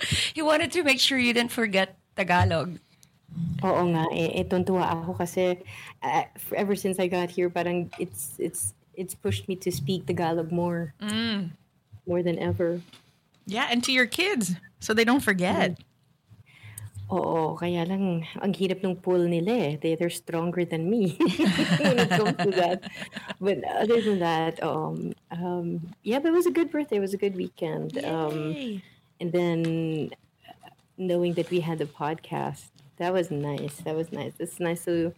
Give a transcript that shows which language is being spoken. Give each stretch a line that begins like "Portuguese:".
English: He wanted to make sure you didn't forget Tagalog.
Filipino: Oo nga, tuntua ako kasi
English: ever since I got here, parang it's pushed me to speak Tagalog more. More than ever. Yeah, and to your kids, so they don't forget.
Filipino: Oo, kaya lang, ang hirap ng pull nila eh.
English: They're stronger than me when it comes to that. But other than that, but it was a good birthday. It was a good weekend. Yay. And then knowing that we had a podcast. That was nice. That was nice. It's nice to.